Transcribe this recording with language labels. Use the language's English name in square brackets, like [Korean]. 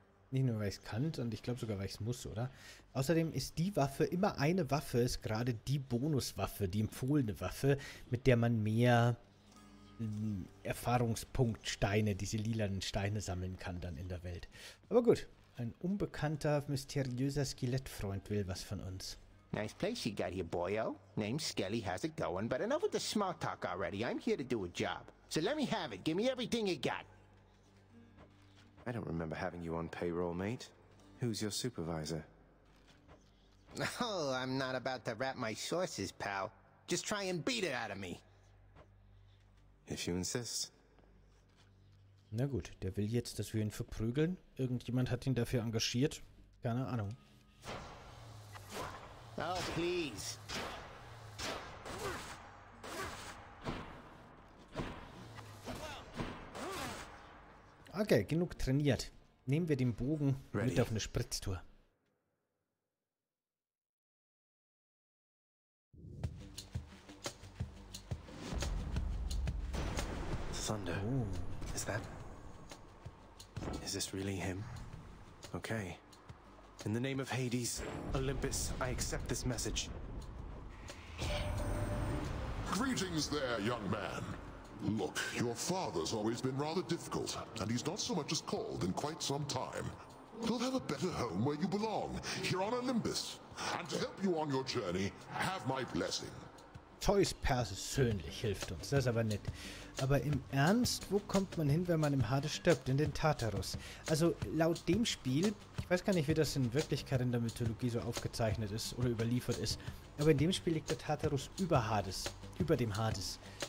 [German] Nicht nur, weil ich es kann, und ich glaube sogar, weil ich es muss, oder? Außerdem ist die Waffe, immer eine Waffe, ist gerade die Bonuswaffe, die empfohlene Waffe, mit der man mehr Erfahrungspunktsteine, diese lilanen Steine sammeln kann dann in der Welt. Aber gut. Ein unbekannter, mysteriöser Skelettfreund will was von uns. [English] Nice place you got here, boyo. Name Skelly, how's it going? But enough with the small talk already. I'm here to do a job. So let me have it. Give me everything you got. I don't remember having you on payroll, mate. Who's your supervisor? Oh, I'm not about to rap my sources, pal. Just try and beat it out of me. If you insist. [German] Na gut, der will jetzt, dass wir ihn verprügeln. Irgendjemand hat ihn dafür engagiert. Keine Ahnung. [English] Oh, please. [German] Okay, genug trainiert. Nehmen wir den Bogen mit auf eine Spritztour. [English] Thunder. Oh. Is that... Is this really him? Okay. In the name of Hades, Olympus, I accept this message. Greetings there, young man. Look, your father's always been rather difficult, and he's not so much as called in quite some time. He'll have a better home where you belong, here on Olympus. And to help you on your journey, have my blessing. [German] Zeus persönlich hilft uns, das ist aber nett. Aber im Ernst, wo kommt man hin, wenn man im Hades stirbt? In den Tartarus. Also laut dem Spiel, ich weiß gar nicht, wie das in Wirklichkeit in der Mythologie so aufgezeichnet ist oder überliefert ist, aber in dem Spiel liegt der Tartarus über Hades, über dem Hades.